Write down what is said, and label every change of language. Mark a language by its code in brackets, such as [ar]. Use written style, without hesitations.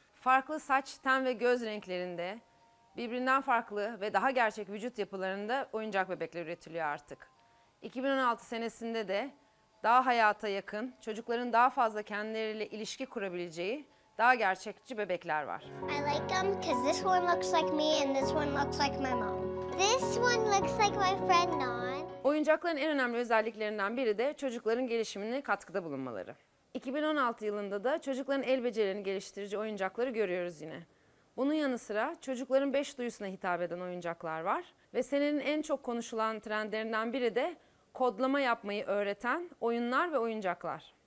[tr] Farklı saç, ten ve göz renklerinde, birbirinden farklı ve daha gerçek vücut yapılarında oyuncak bebekler üretiliyor artık. 2016 senesinde de daha hayata yakın, çocukların daha fazla kendileriyle ilişki kurabileceği daha gerçekçi bebekler var. [en] I like them because this one looks like me and this one looks like my mom. This one looks like my friend Dawn. [tr] Oyuncakların en önemli özelliklerinden biri de çocukların gelişimine katkıda bulunmaları. 2016 yılında da çocukların el becerilerini geliştirici oyuncakları görüyoruz yine. Bunun yanı sıra çocukların 5 duyusuna hitap eden oyuncaklar var ve senenin en çok konuşulan trendlerinden biri de kodlama yapmayı öğreten oyunlar ve oyuncaklar.